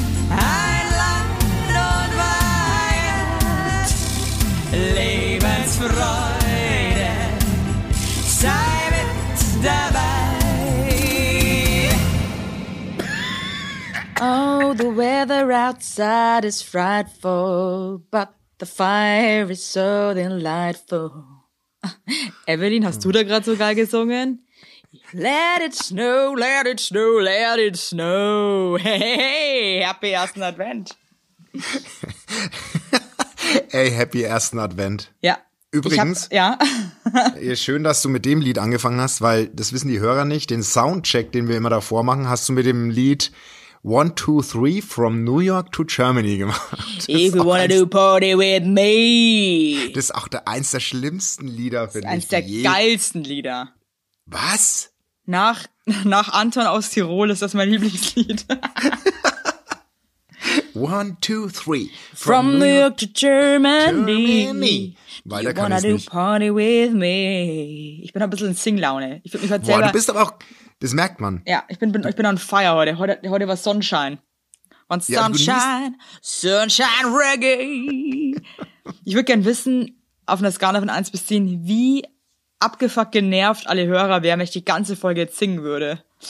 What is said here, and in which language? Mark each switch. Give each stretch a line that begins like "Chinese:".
German: Ein land und weit, Lebensfreude, sei mit dabei.
English: Oh, the weather outside is frightful, but the fire is so delightful.
German: Evelyn, hast du da gerade so geil gesungen?
English: Let it snow, let it snow, let it snow. Hey, happy
German: ersten Advent. Hey, happy ersten Advent. Ja. Übrigens, schön, dass du mit dem Lied angefangen hast, weil das wissen die Hörer nicht. Den Soundcheck, den wir immer davor machen, hast du mit dem Lied 1, 2, 3 from New York to Germany gemacht. Das
English: If you wanna do party with me.
German: Das ist auch eins der schlimmsten Lieder, finde ich. Eins der geilsten Lieder. Was? Nach Anton aus Tirol ist das mein Lieblingslied.
English: 1, 2, 3 from New York to Germany.
German: Weil da kann ich nicht.
English: You wanna do party with me.
German: Ich bin ein bisschen in Singlaune. Ich fühle mich halt selber. Boah, du bist aber auch... Das merkt man. Ja, ich bin
English: on fire
German: heute. Heute war Sonnenschein. Und Sunshine, Sunshine Reggae. Ich würde gern wissen, auf einer Skala von 1 bis 10, wie abgefuckt genervt alle Hörer wären, wenn ich die ganze Folge jetzt singen würde.